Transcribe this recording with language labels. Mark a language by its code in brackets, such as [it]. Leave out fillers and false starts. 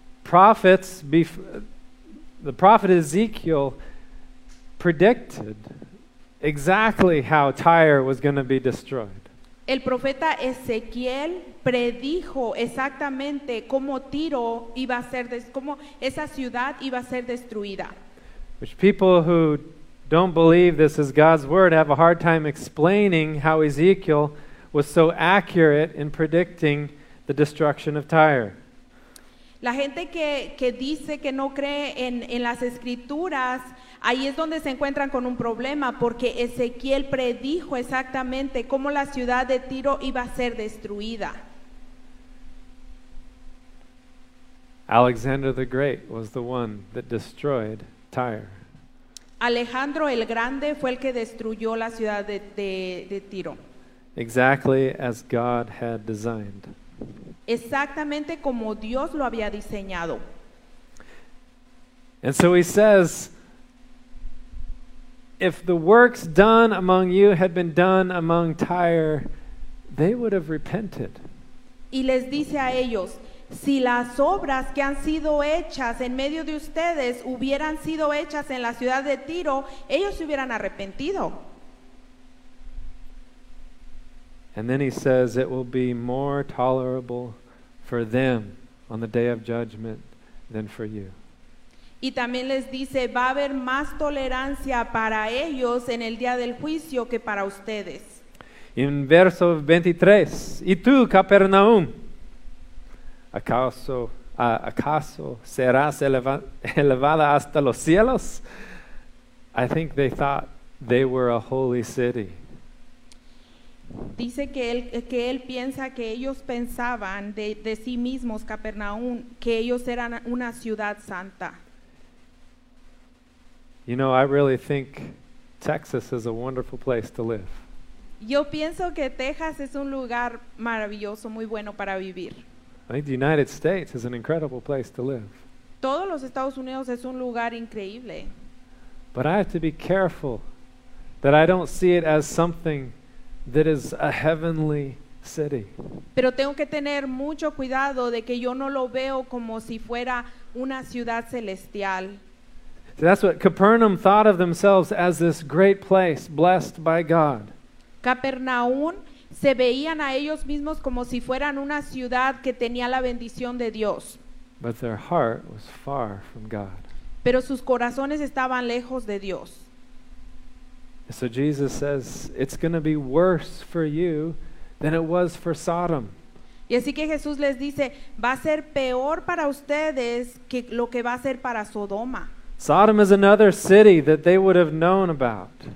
[en] The prophet Ezekiel predicted exactly how Tyre was going to be destroyed. [es] El profeta Ezequiel predijo exactamente cómo Tiro iba a ser cómo esa ciudad iba a ser destruida. [en] Which people who don't believe this is God's word have a hard time explaining how Ezekiel was so accurate in predicting the destruction of Tyre. [es] La gente que dice que no cree en las escrituras, ahí es donde se encuentran con un problema, porque Ezequiel predijo exactamente cómo la ciudad de Tiro iba a ser destruida. [en] Alexander the Great was the one that destroyed Tyre. [es] Alejandro el Grande fue el que destruyó la ciudad de Tiro. [en] Exactly as God had designed. [es] Exactamente como Dios lo había diseñado. [en] And so he says, if the works done among you had been done among Tyre, they would have repented. [es] Y les dice a ellos, si las obras que han sido hechas en medio de ustedes hubieran sido hechas en la ciudad de Tiro, ellos se hubieran arrepentido. [en] And then he says, it will be more tolerable for them on the day of judgment than for you. [es] Y también les dice, va a haber más tolerancia para ellos en el día del juicio que para ustedes. En verso 23, y tú, Capernaum, ¿acaso serás elevada hasta los cielos? [en] I think they thought they were a holy city. [es] Dice que él piensa que ellos pensaban de sí mismos, Capernaum, que ellos eran una ciudad santa. [en] You know, I really think Texas is a wonderful place to live. [es] Yo pienso que Texas es un lugar maravilloso, muy bueno para vivir. [en] I think the United States is an incredible place to live. [es] Todos los Estados Unidos es un lugar increíble. [en] But I have to be careful that I don't see it as something that is a heavenly city. [es] Pero tengo que tener mucho cuidado de que yo no lo veo como si fuera una ciudad celestial. [en] So that's what Capernaum thought of themselves as, this great place blessed by God. [es] Capernaum se veían a ellos mismos como si fueran una ciudad que tenía la bendición de Dios. [en] But their heart was far from God. [es] Pero sus corazones estaban lejos de Dios. [en] So Jesus says, it's going to be worse for you than it was for Sodom. [es] Y así que Jesús les dice, va a ser peor para ustedes que lo que va a ser para Sodoma. [en] Sodom is another city that they would have known about.